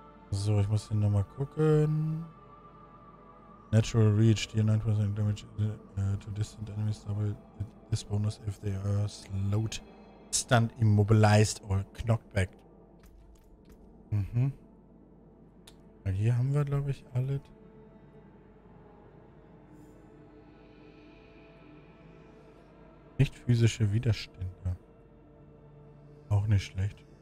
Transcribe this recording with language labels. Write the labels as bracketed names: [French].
[German] So, ich muss hier nochmal gucken. [English] Natural Reach, deal 9% damage to distant enemies, double this bonus if they are slowed, stunned, immobilized or knockbacked. Mhm. [German] Und hier haben wir, glaube ich, alle. Nicht physische Widerstände. Auch nicht schlecht.